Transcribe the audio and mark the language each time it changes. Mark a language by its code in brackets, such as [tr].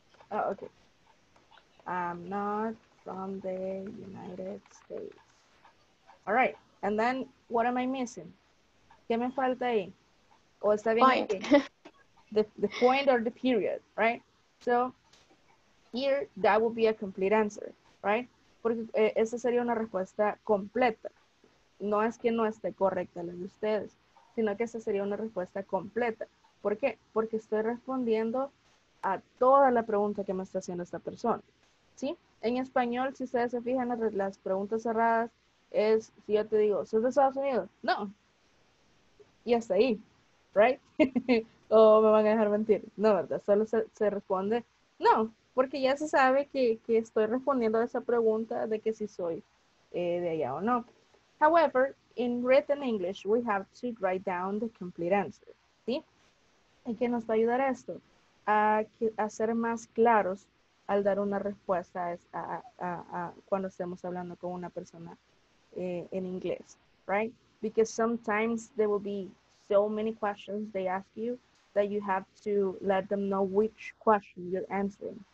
[en] Oh, okay. I'm not from the United States. All right, and then what am I missing? [es] ¿Qué me falta ahí? ¿O está bien [en] point. The point or the period, right? So here, that would be a complete answer, right? [es] Porque esa sería una respuesta completa. No es que no esté correcta la de ustedes, sino que esa sería una respuesta completa. ¿Por qué? Porque estoy respondiendo a toda la pregunta que me está haciendo esta persona. ¿Sí? En español, si ustedes se fijan, las preguntas cerradas es, si yo te digo, ¿sos de Estados Unidos? No. Y hasta ahí, ¿right? ¿O me van a dejar mentir? No, ¿verdad? Solo se responde, no. Porque ya se sabe que estoy respondiendo a esa pregunta de que si soy de allá o no. [en] However, in written English, we have to write down the complete answer. ¿Sí? [es] ¿Y qué nos va a ayudar esto? A ser más claros al dar una respuesta a cuando estemos hablando con una persona en inglés. [en] Right? Because sometimes there will be so many questions they ask you that you have to let them know which question you're answering.